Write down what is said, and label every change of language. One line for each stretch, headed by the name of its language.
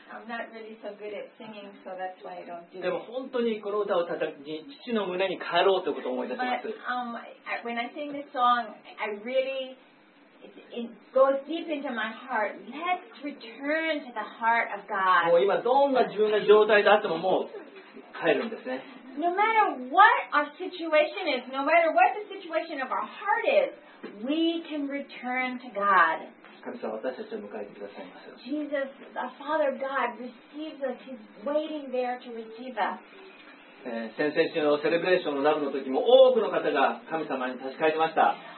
English: I'm not really so good at singing, so that's why I don't do it.
Japanese: でも本当にこの歌を叩きに父の胸に帰ろうということを思い出します。
English: But, when I sing this song, I really it goes deep into my heart. Let's return to the heart of God.
Japanese: もう今どんな自分の状態であってももう帰るんですね。
English: No matter what our situation is, no matter what the situation of our heart is, we can return to God.
Japanese: 神様、私たちを迎えてくださいませ。
English: Jesus, the Father of God, receives us. He's waiting there to receive us.
Japanese: 先々週のセレブレーションのラブの時も多くの方が神様に立ち返りました。